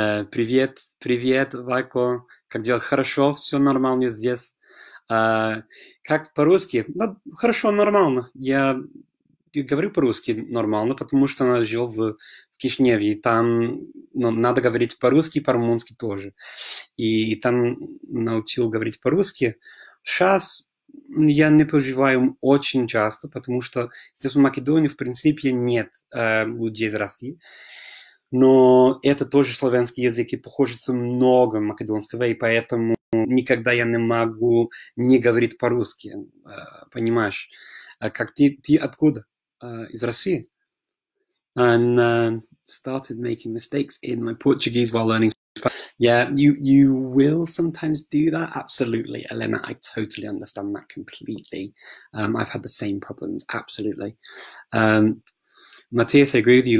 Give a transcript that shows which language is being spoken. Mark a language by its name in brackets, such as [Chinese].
[Russian] Privjet, privjet, vako, kak djel, hrašo, vse normalno zdjes. Kak po-ruski? No, hrašo, normalno. Я говорю по-русски нормально, потому что я жил в Кишиневе, и там надо говорить по-русски, по-румынски тоже. И там научил говорить по-русски. Сейчас я не проживаю очень часто, потому что здесь в Македонии, в принципе, нет людей из России. Но это тоже славянский язык и похоже со много македонского, и поэтому никогда я не могу не говорить по-русски, понимаешь? А как ты откуда? Из России? [English] And started making mistakes in my Portuguese while learning. Yeah, you will sometimes do that. Absolutely, Elena. I totally understand that completely. I've had the same problems. Absolutely. Matthias, I agree with you.